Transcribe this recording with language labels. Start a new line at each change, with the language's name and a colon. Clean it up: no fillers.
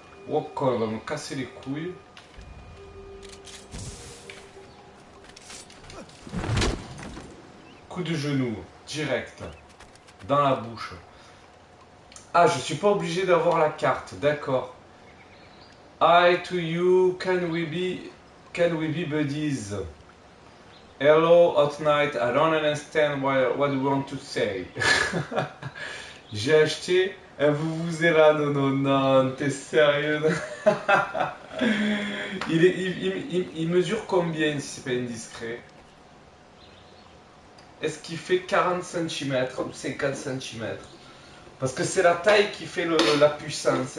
French: Oh quoi, il va me casser les couilles. Coup de genou, direct, dans la bouche. Ah, je suis pas obligé d'avoir la carte, d'accord.
English: Hi to you, can we be buddies? Hello, hot night, I don't understand what you want to say.
French: J'ai acheté un vouvouzela, non, t'es sérieux? il mesure combien si c'est pas indiscret? Est-ce qu'il fait 40 cm ou 50 cm? Parce que c'est la taille qui fait la puissance.